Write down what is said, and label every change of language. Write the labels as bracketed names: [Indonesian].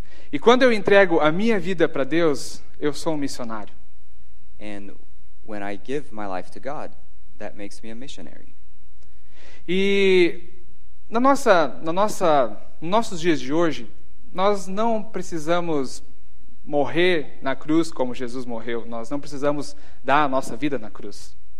[Portuguese] E quando eu entrego a minha vida para Deus, eu sou um missionário. [English] And when I give my life to God, that makes me a missionary. [Portuguese] E nos nossos dias de hoje, nós não precisamos morrer na cruz como Jesus morreu. Nós não precisamos dar a nossa vida na cruz.